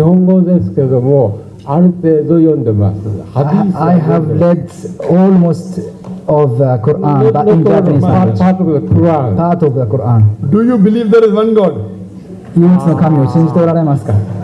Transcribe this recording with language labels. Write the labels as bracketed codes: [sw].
[ja] クルアンは日本語ですけども、ある程度読んでます。 [en] I have read almost of the Quran, but in Japanese language. Part of the Quran. Part of the Quran. Do you believe there is one God? [ja] 唯一の神を信じておられますか?